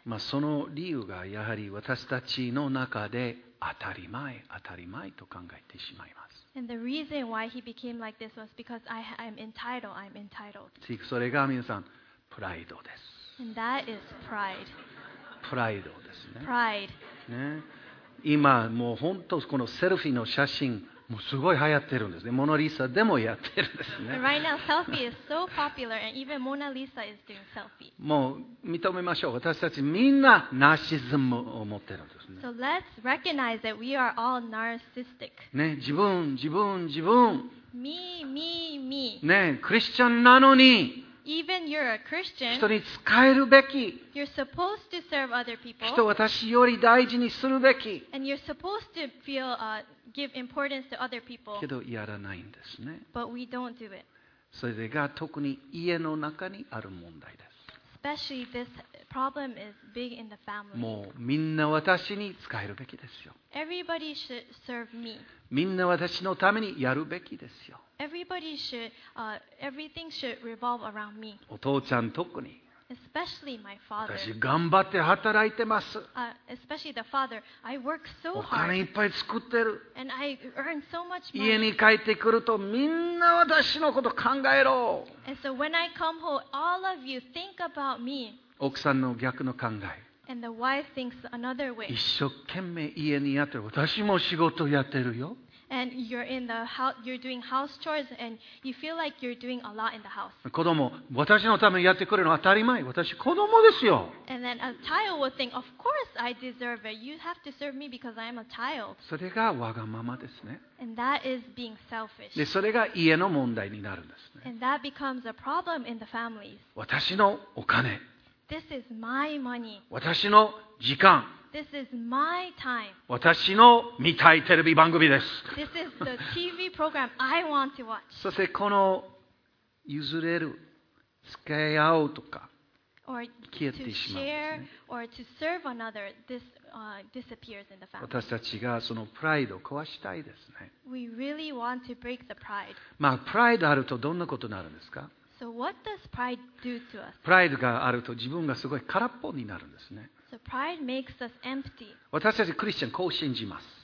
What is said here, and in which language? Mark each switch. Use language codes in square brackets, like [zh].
[ja] まあその理由がやはり私たちの中で当たり前、当たり前と考えてしまいます。 [en] And the reason why he became like this was because I'm entitled, I'm entitled. [ja] それが皆さん、プライドです。 [en] And that is pride. [ja] プライドですね。 [en] Pride. ね。 [ja] 今もう本当このセルフィーの写真、もうすごい流行ってるんですね。モナリサでもやってるんですね。 [en] Right now, selfie is so popular, and even Mona Lisa is doing selfie. [ja] もう認めましょう。私たちみんなナシズムを持ってるんですね。 [en] So let's recognize that we are all narcissistic. [ja] ね、自分、自分、自分。 [en] Me, me, me. [ja] ね、クリスチャンなのに。 [en] Even you're a Christian, [ja] 人に使えるべき。 [en] You're supposed to serve other people. [ja] 人を私より大事にするべき。 [en] And you're supposed to feel, give importance to other people. [ja] けどやらないんですね。 [en] But we don't do it. [ja] それが特に家の中にある問題です。 [en] Especially this problem is big in the family. [ja] もうみんな私に使えるべきですよ。 [en] Everybody should serve me. [ja] みんな私のためにやるべきですよ。 [en] Everybody should, everything should revolve around me. [ja] お父ちゃん特に。 [en] Especially my father. [ja] 私頑張って働いてます。 [en] Especially the father. I work so [ja] お金いっぱい作ってる。 [en] And I earn so much money. [ja] 家に帰ってくるとみんな私のこと考えろ。 [en] And so when I come home, all of you think about me. [ja] 奥さんの逆の考え。 [en] And the wife thinks another way. [ja] 一生懸命家にやってる。私も仕事やってるよ。 [en] And you're in the house, you're doing house chores, and you feel like you're doing a lot in the house. [ja] 子供、私のためにやってくれるのは当たり前。私子供ですよ。 [en] And then a child will think, of course I deserve it. You have to serve me because I'm a child. [ja] それがわがままですね。 [en] And that is being selfish. [ja] で、それが家の問題になるんですね。 [en] And that becomes a problem in the families. [ja] 私のお金。 [en] This is my money. [ja] 私の時間。 [en] This is my time. [ja] 私の見たいテレビ番組です。 [en] This is the TV program I want to watch. [ja] そしてこの譲れる、付き合うとか、消えてしまう、ね。 [en] Or to serve another, this, disappears in the family. [ja] 私たちがそのプライドを壊したいですね。 [en] We really want to break the pride. [ja] まあ、プライドあるとどんなことになるんですか？ [en] So what does pride do to us? [ja] プライドがあると自分がすごい空っぽになるんですね。 [en] So pride makes us empty. [ja] 私たちクリスチャンこう信じます。